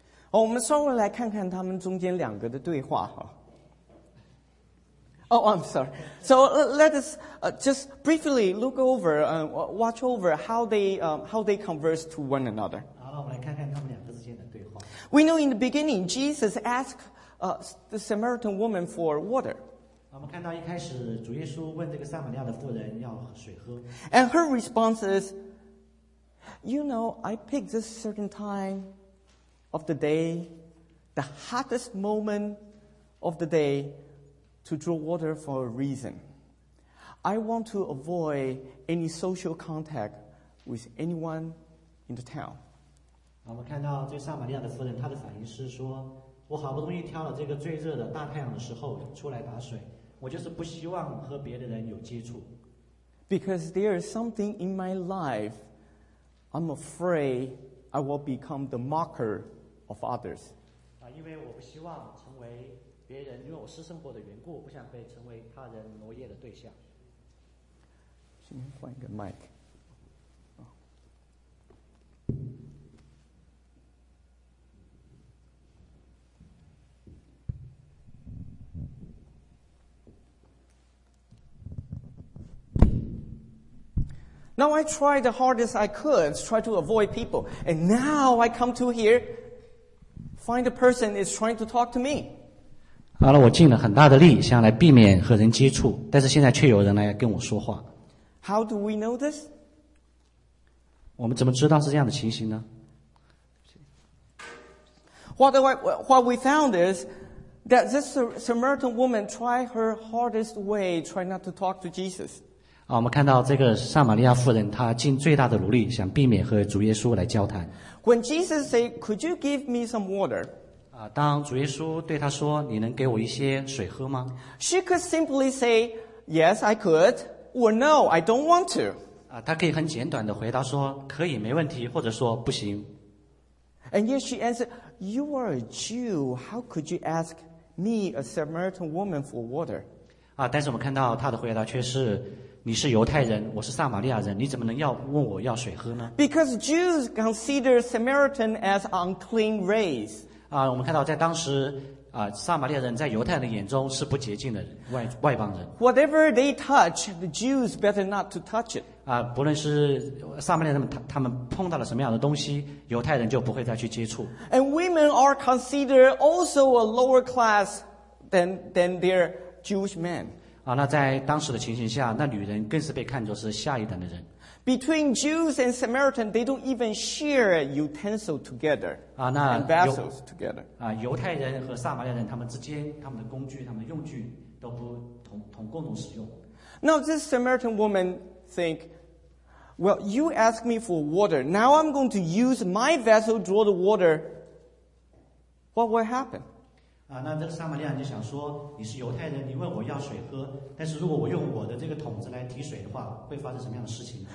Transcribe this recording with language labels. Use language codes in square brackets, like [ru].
[zh] Oh, 我们稍微来看看他们中间两个的对话哈。 [en] Oh, I'm sorry. So let us just briefly look over and watch over how they converse to one another. [zh] 好，我们来看看他们两个之间的对话。 [en] We know in the beginning, Jesus asked the Samaritan woman for water. [zh] 我们看到一开始主耶稣问这个撒玛利亚的妇人要水喝。 [en] And her response is, you know, I picked this certain time. Of the day, the hottest moment of the day to draw water for a reason. I want to avoid any social contact with anyone in the town. [zh] 我们看到这撒玛利亚的夫人，她的反应是说，我好不容易挑了这个最热的大太阳的时候出来打水，我就是不希望和别的人有接触。 [en] Because there is something in my life, I'm afraid I will become the mocker. Of others. [zh] 因为我不希望成为别人，因为我私生活的缘故，不想被成为他人挪业的对象。先换一个麦克。 [en] Now I tried the hardest I could, try to avoid people, and now I come to here. Find a person is trying to talk to me. [zh] 好了，我尽了很大的力，想来避免和人接触，但是现在却有人来跟我说话。 [en] How do we know this? [zh] 我们怎么知道是这样的情形呢？ [en] What we found is that this Samaritan woman tried her hardest way, try not to talk to Jesus. [zh] 我们看到这个撒玛利亚妇人，她尽最大的努力，想避免和主耶稣来交谈。 [en] When Jesus said, "Could you give me some water?" [zh] 当主耶稣对他说，你能给我一些水喝吗？ [en] She could simply say, "Yes, I could," or "No, I don't want to." [zh] 她可以很简短的回答说，可以，没问题，或者说不行。 [en] And yet she answered, "You are a Jew. How could you ask me, a Samaritan woman, for water?" [zh] 但是我们看到她的回答却是。你是犹太人，我是撒玛利亚人，你怎么能要问我要水喝呢？ [en] Because Jews consider Samaritan as unclean race. [zh] 我们看到在当时，撒玛利亚人在犹太人眼中是不洁净的人，外邦人。 [en] Whatever they touch, the Jews better not to touch it. [zh] 不论是撒玛利亚人他们碰到了什么样的东西，犹太人就不会再去接触。 [en] And women are considered also a lower class than their Jewish men. [zh] 那在当时的情形下，那女人更是被看作是下一等的人。 [en] Between Jews and Samaritans, they don't even share utensils together. 那 and vessels together. [zh] 犹太人和撒玛利亚人他们之间，他们的工具、他们的用具都不同共同使用。 [en] Now this Samaritan woman think, well, you ask me for water. Now I'm going to use my vessel to draw the water. What will happen? [zh] 那这个撒玛利亚就想说，你是犹太人，你问我要水喝，但是如果我用我的这个桶子来提水的话，会发生什么样的事情呢？